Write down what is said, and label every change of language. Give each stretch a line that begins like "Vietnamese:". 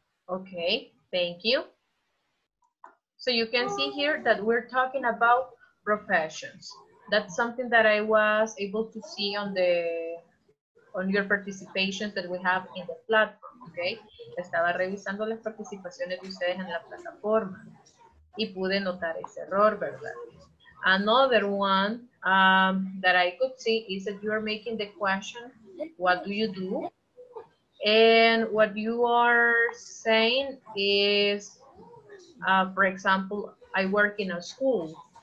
English: Okay, thank you. So you can see here that we're talking about professions. That's something that I was able to see on the on your participation that we have in the platform, okay?
Spanish: Estaba revisando las participaciones de ustedes en la plataforma y pude notar ese error, ¿verdad?
English: Another one that I could see is that you are making the question, what do you do? And what you are saying is, for example, I work in a school.